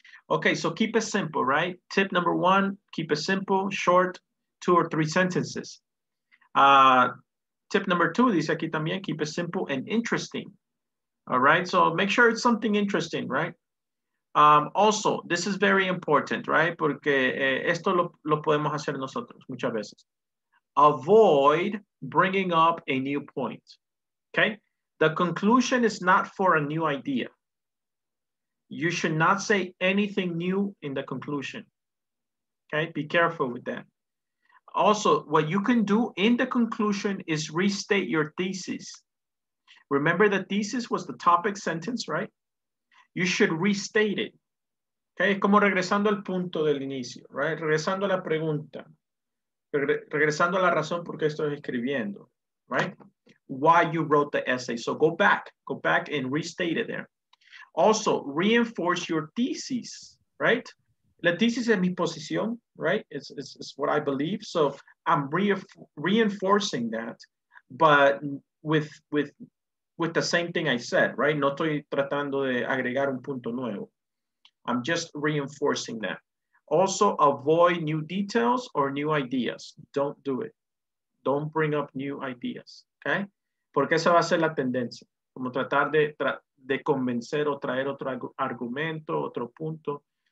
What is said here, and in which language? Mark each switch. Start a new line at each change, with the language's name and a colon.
English: Okay, so keep it simple, right? Tip number one, keep it simple, short, two or three sentences. Tip number two,
Spanish: dice aquí también,
English: keep it simple and interesting. All right, so make sure it's something interesting, right? Also, this is very important, right?
Spanish: Porque esto lo podemos hacer nosotros muchas veces.
English: Avoid bringing up a new point, okay? The conclusion is not for a new idea. You should not say anything new in the conclusion, okay? Be careful with that. Also, what you can do in the conclusion is restate your thesis. Remember the thesis was the topic sentence, right? You should restate it. Okay,
Spanish: como regresando al punto del inicio,
English: right?
Spanish: Regresando a la pregunta. Regresando a la razón por qué estoy escribiendo,
English: right? Why you wrote the essay. So go back and restate it there. Also, reinforce your thesis, right?
Spanish: La thesis es mi posición,
English: right? It's what I believe. So I'm reinforcing that, but with the same thing I said, right?
Spanish: No estoy tratando de agregar un punto nuevo.
English: I'm just reinforcing that. Also, avoid new details or new ideas. Don't do it. Don't bring up new ideas, okay?
Spanish: Porque esa va a ser la tendencia. Como tratar de convencer o traer otro argumento, otro punto.